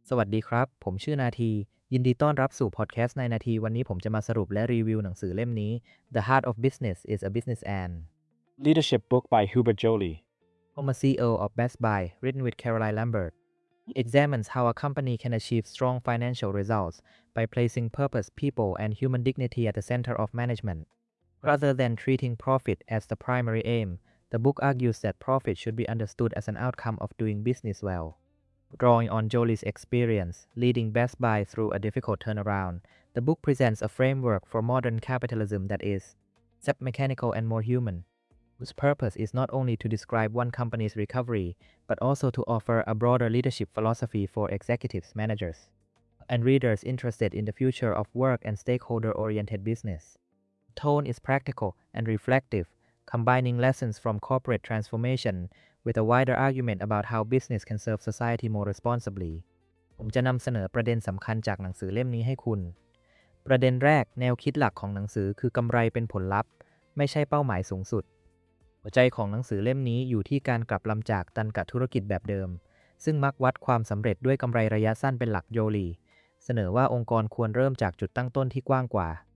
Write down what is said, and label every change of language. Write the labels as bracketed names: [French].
[Thai] สวัสดีครับผมชื่อนาทียินดีต้อนรับสู่พอดแคสต์ในนาทีวันนี้ผมจะมาสรุปและรีวิวหนังสือเล่มนี้ [English] The Heart of Business is a Business and Leadership Book by Hubert Joly I'm a CEO of Best Buy written with Caroline Lambert examines how a company can achieve strong financial results by placing purpose, people and human dignity at the center of management rather than treating profit as the primary aim. The book argues that profit should be understood as an outcome of doing business well. Drawing on Joly's experience leading Best Buy through a difficult turnaround, the book presents a framework for modern capitalism that is less mechanical and more human, whose purpose is not only to describe one company's recovery, but also to offer a broader leadership philosophy for executives, managers, and readers interested in the future of work and stakeholder-oriented business. The tone is practical and reflective, combining lessons from corporate transformationwith a wider argument about how business can serve society more responsibly. [Thai] ผมจะนำเสนอประเด็นสำคัญจากหนังสือเล่มนี้ให้คุณ ประเด็นแรกแนวคิดหลักของหนังสือคือกำไรเป็นผลลัพธ์ไม่ใช่เป้าหมายสูงสุด หัวใจของหนังสือเล่มนี้อยู่ที่การกลับลำจากตันกะธุรกิจแบบเดิมซึ่งมักวัดความสำเร็จด้วยกำไรระยะสั้นเป็นหลักโยลีเสนอว่าองค์กรควรเริ่มจากจุดตั้งต้นที่กว้างกว่า